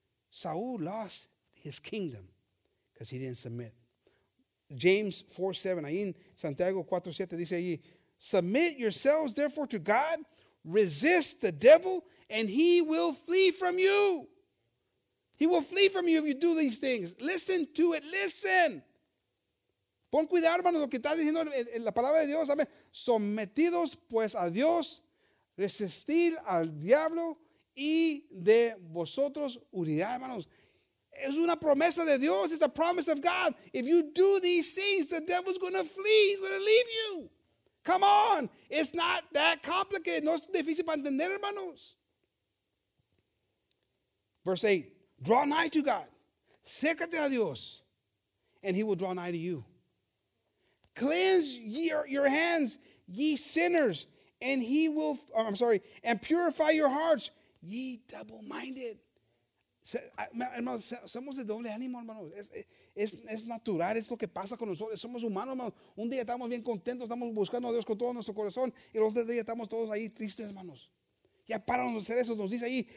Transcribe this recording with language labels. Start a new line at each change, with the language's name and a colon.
English: Saul lost his kingdom because he didn't submit. James 4:7,
Spanish: ahí en Santiago 4:7 dice ahí,
English: submit yourselves therefore to God, resist the devil, and he will flee from you. He will flee from you if you do these things. Listen to it. Listen.
Spanish: Pon cuidado, hermano, lo que está diciendo en la palabra de Dios. Amén. Sometidos pues a Dios, resistir al diablo y de vosotros huirá, hermanos. Es una promesa de Dios.
English: It's a promise of God. If you do these things, the devil's going to flee. He's going to leave you. Come on. It's not that complicated.
Spanish: No es difícil para entender, hermanos.
English: Verse 8. Draw nigh to God.
Spanish: Cércate a Dios.
English: and he will draw nigh to you. Cleanse your hands, ye sinners, and he will, and purify your hearts, ye double-minded.
Spanish: Somos de doble ánimo, hermano. Es natural, es lo que pasa con nosotros. Somos humanos, hermano. Un día estamos bien contentos, estamos buscando a Dios con todo nuestro corazón, y el otro día estamos todos ahí tristes, hermanos. Ya para de hacer eso, nos dice ahí.